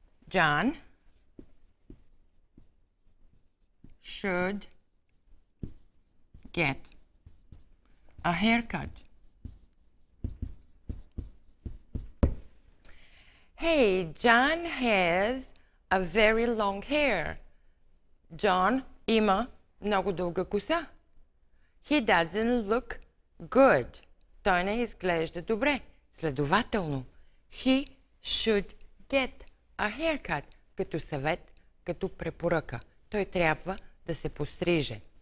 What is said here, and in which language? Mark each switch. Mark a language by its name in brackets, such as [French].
[English] John should get a haircut. Hey, John has a very long hair. [Bulgarian] John има много дълга коса. [English] He doesn't look good. [Bulgarian] Той не изглежда добре. Следователно, [English] he should get a haircut. [Bulgarian] Като съвет, като препоръка. Той трябва да се постриже.